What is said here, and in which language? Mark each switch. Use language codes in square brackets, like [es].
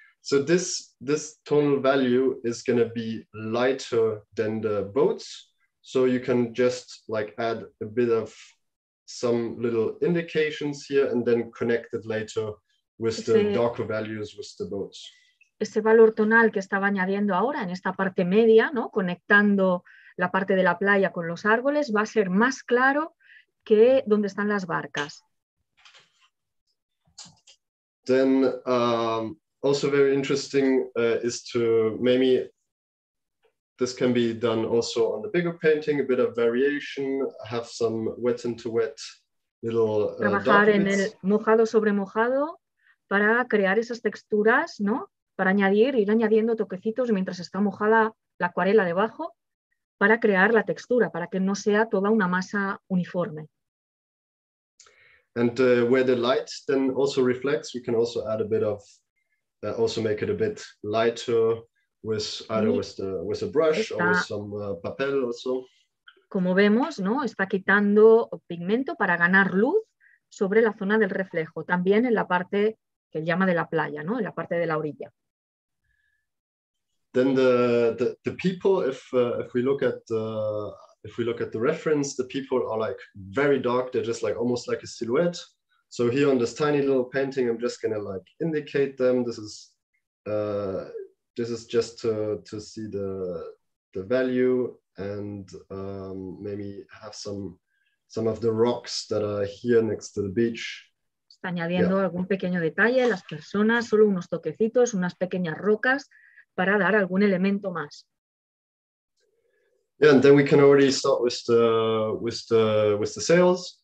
[en] So this tonal value is gonna be lighter than the boats. So you can just like add a bit of some little indications here and then connect it later with the darker values with the boats. [es] Ese valor tonal que estaba añadiendo ahora en esta parte media, ¿no? Conectando la parte de la playa con los árboles, va a ser más claro que donde están las barcas. [en] Then also very interesting is to maybe this can be done also on the bigger painting, a bit of variation, have some wet into wet little [es] trabajar en el mojado sobre mojado para crear esas texturas, ¿no? Para añadir, ir añadiendo toquecitos mientras está mojada la acuarela debajo para crear la textura, para que no sea toda una masa uniforme. [en] And where the light then also reflects, we can also add a bit of, also make it a bit lighter, with a brush está, or with some papel also. [es] Como vemos, ¿no? Está quitando pigmento para ganar luz, sobre la zona del reflejo, también en la parte que él llama de la playa, ¿no? En la parte de la orilla. [en] Then the people, if we look at the reference, the people are like very dark. They're just like almost like a silhouette. So here on this tiny little painting, I'm just gonna like indicate them. This is just to see the value and maybe have some of the rocks that are here next to the beach. [es] Está añadiendo algún pequeño detalle, las personas, solo unos toquecitos, unas pequeñas rocas para dar algún elemento más. [en] Yeah, and then we can already start with the sails.